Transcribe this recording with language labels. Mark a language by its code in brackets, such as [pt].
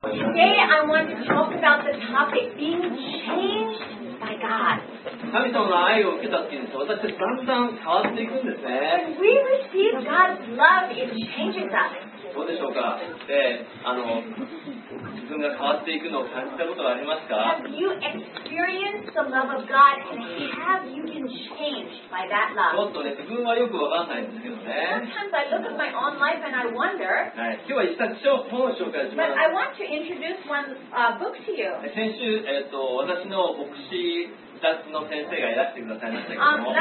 [en] Today I want to talk about the topic being changed by God. [ja] 神様の愛を受けたっていうんです。私たちだんだん変わっていくんですね。 [en] When we receive God's love, it changes us. [ja] どうでしょうか。で、自分が変わっていくのを感じたことはありますか。 [en] Have you experienced the love of God, and have you been changed by that love? [ja] ちょっとね、自分はよくわかんないんですけどね。 [en] Sometimes I look at my own life and I wonder. [ja] はい、今日は一冊書を紹介します。 [en] But I want to introduce one book to you. [ja] 先週、私の牧師2つの先生がいらしてくださいましたけども。